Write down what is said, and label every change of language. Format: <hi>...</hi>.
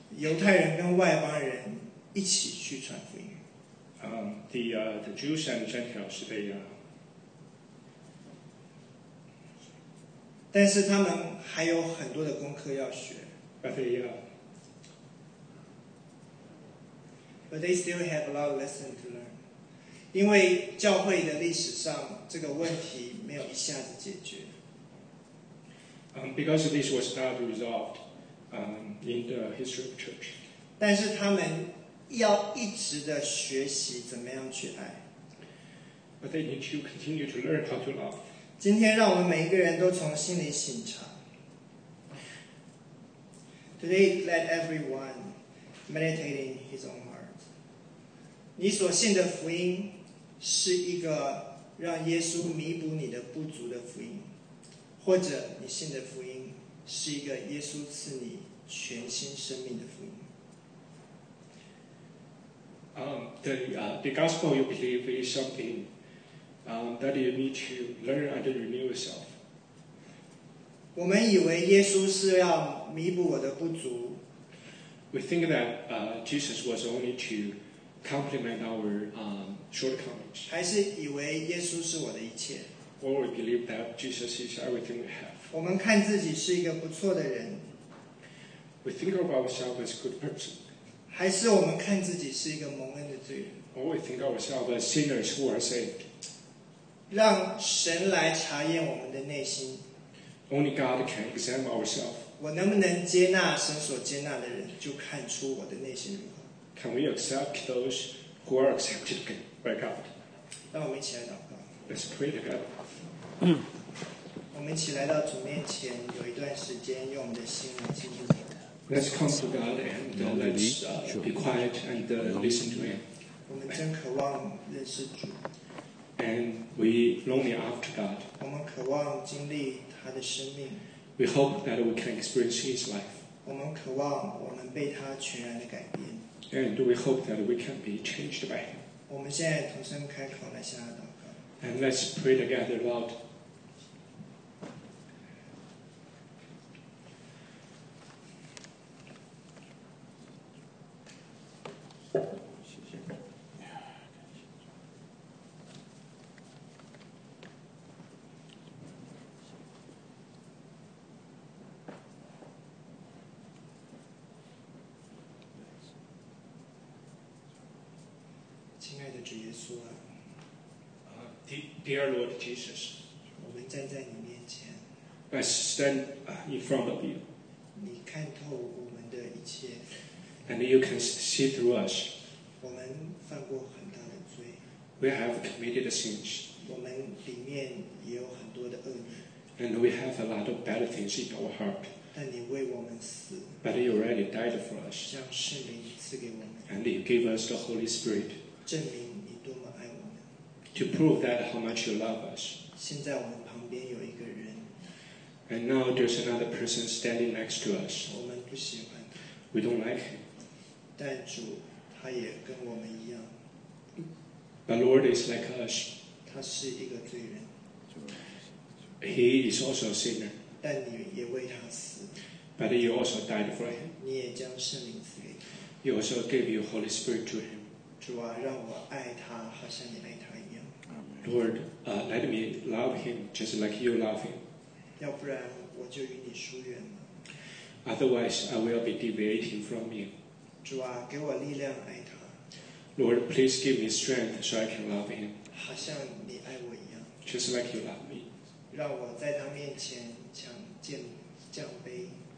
<zh>犹太人跟外邦人一起去传福音。</zh> <en>The Jews and the Gentiles, they...</en> <zh>但是他们还有很多的功课要学。</zh> <en>But they... But they still have a lot of lessons to learn.</en> <zh>因为教会的历史上这个问题没有一下子解决。</zh> <en>Because this was not resolved in the history of church.</en> <zh>但是他们要一直的学习怎么样去爱。</zh> <en>But they need to continue to learn how to love.</en> <zh>今天让我们每一个人都从心里醒察。</zh> <en>Today, let everyone meditate in his own heart.</en> <zh>你所信的福音是一个让耶稣弥补你的不足的福音，或者你信的福音是一个耶稣赐你全新生命的福音。</zh> <en>The gospel you believe is something that you need to learn and renew yourself.</en> <zh>我们以为耶稣是要弥补我的不足。</zh> <en>We think that Jesus was only to complement our shortcomings.</en> <zh>还是以为耶稣是我的一切。</zh> <en>Or we believe that Jesus is everything we have.</en> <zh>我们看自己是一个不错的人。</zh> <en>We think of ourselves as a good person.</en> <zh>还是我们看自己是一个蒙恩的罪人。</zh> <en>Or we think of ourselves as sinners who are saved.</en> <zh>让神来查验我们的内心。</zh> <en>Only God can examine ourselves.</en> <zh>我能不能接纳神所接纳的人，就看出我的内心如何。</zh> <en>Can we accept those who are accepted by God?</en> <zh>让我们一起来祷告。</zh> <en>Let's pray together.</en> <zh>我们一起来到主面前，有一段时间，用我们的心来亲近你。</zh> <en>Let's come to God and let's be quiet and listen to Him.</en> <zh>我们真渴望认识主。</zh> <en>And we longing after God.</en> <zh>我们渴望经历他的生命。</zh> <en>We hope that we can experience His life.</en> <zh>我们渴望我们被他全然的改变。</zh> <en>And do we hope that we can be changed by Him?</en> <zh>我们现在同声开口来向他祷告。</zh> <en>And let's pray together, Lord.</en> <zh>主耶稣啊。</zh> <en>Dear Lord Jesus.</en> <zh>我们站在你面前。</zh> <en>I stand in front of you.</en> <zh>你看透我们的一切。</zh> <en>And you can see through us.</en> <zh>我们犯过很大的罪。</zh> <en>We have committed sins.</en> <zh>我们里面也有很多的恶念。</zh> <en>And we have a lot of bad things in our heart.</en> <zh>但你为我们死。</zh> <en>But you already died for us.</en> <zh>将圣灵赐给我们。</zh> <en>And you gave us the Holy Spirit.</en> <zh>证明你多么爱我们。</zh> <en>To prove that how much you love us.</en> <zh>现在我们旁边有一个人。</zh> <en>And now there's another person standing next to us.</en> <zh>我们不喜欢他。</zh> <en>We don't like him.</en> <zh>但主他也跟我们一样。</zh> <en>But Lord is like us.</en> <zh>他是一个罪人。</zh> <en>He is also a sinner.</en> <zh>但你也为他死。</zh> <en>But you also died for him.</en> <zh>你也将圣灵赐给他。</zh> <en>You also gave your Holy Spirit to him.</en> <zh>主啊，让我爱他，好像你爱他一样。</zh> <en>Lord, let me love him just like you love him.</en> <zh>要不然我就与你疏远了。</zh> <en>Otherwise, I will be deviating from you.</en> <zh>主啊，给我力量爱他。</zh> <en>Lord, please give me strength so I can love him.</en> <zh>好像你爱我一样。</zh> <en>Just like you love me.</en> <zh>让我在他面前想见降杯。</zh>